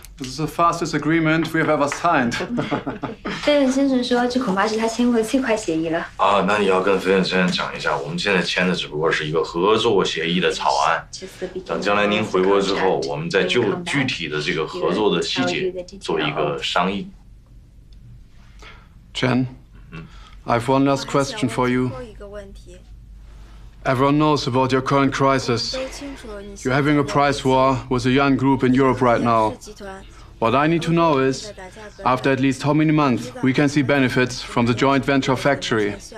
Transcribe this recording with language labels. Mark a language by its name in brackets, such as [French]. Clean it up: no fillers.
[English] This is the fastest agreement we have ever signed. [Chinese] 飞燕先生说，这恐怕是他签过最快协议了。啊，那你要跟飞燕先生讲一下，我们现在签的只不过是一个合作协议的草案。等将来您回国之后，我们再就具体的这个合作的细节做一个商议。 [English] Jen,、I have one last question for you. Everyone knows about your current crisis. You're having a price war with a young group in Europe right now. What I need to know is, after at least how many months we can see benefits from the joint venture factory.